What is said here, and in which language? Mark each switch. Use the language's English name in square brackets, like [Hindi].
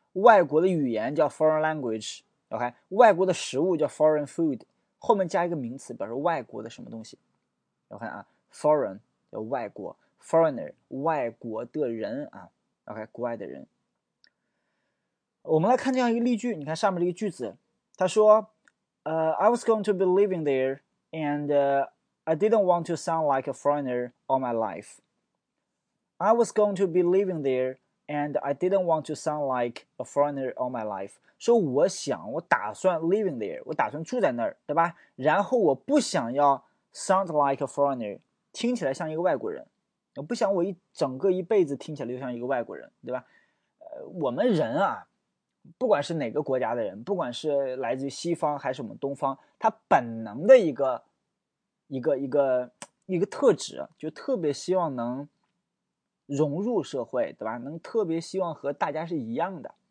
[Chinese] 外国的语言叫 foreign language， OK， 外国的食物叫 foreign food， 后面加一个名词表示外国的什么东西， OK 啊， foreign 叫外国， foreigner 外国的人啊， OK， 国外的人。我们来看这样一个例句，你看上面这个句子，他说 [English] I was going to be living there and I didn't want to sound like a foreigner all my life. I was going to be living there, and I didn't want to sound like a foreigner all my life. [Chinese] 说我想，我打算 [English] living there， [Chinese] 我打算住在那儿，对吧？然后我不想要 [English] sound like a foreigner， [Chinese] 听起来像一个外国人。我不想我一整个一辈子听起来就像一个外国人，对吧？我们人啊，不管是哪个国家的人，不管是来自于西方还是我们东方，他本能的一个特质，就特别希望能融入社会，对吧？能特别希望和大家是一样的，